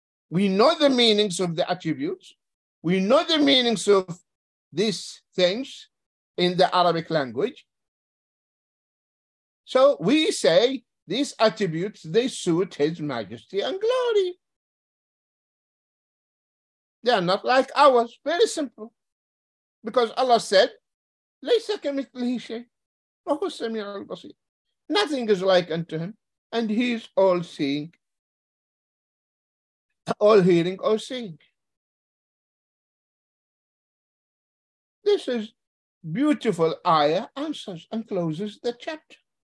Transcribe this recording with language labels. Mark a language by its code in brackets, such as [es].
[en] We know the meanings of the attributes. We know the meanings of these things in the Arabic language. So we say these attributes, they suit His Majesty and glory. They are not like ours. Very simple. Because Allah said, [ar] لَيْسَ كَمِثْلِهِ شَيْءٍ وَهُوَ السَّمِيعُ الْبَصِيرُ. [en] Nothing is like unto Him. And He is all seeing. All hearing, all seeing. This is beautiful ayah answers and closes the chapter.